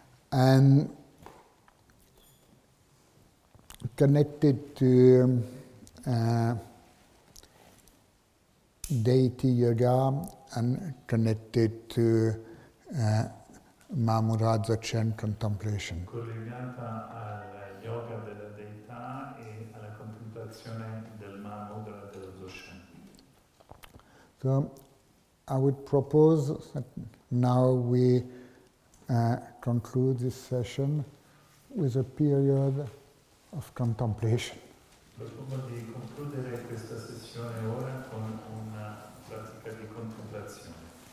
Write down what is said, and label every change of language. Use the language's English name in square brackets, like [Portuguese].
[English] And connected to deity yoga and connected to Mahamudra Dzogchen contemplation. [Italian] Collegata al yoga della deità e alla contemplazione del Mahamudra dello Dzogchen. [English] So I would propose that now we conclude this session with a period of contemplation. [Italian] Propongo di concludere questa sessione ora con una pratica di contemplazione.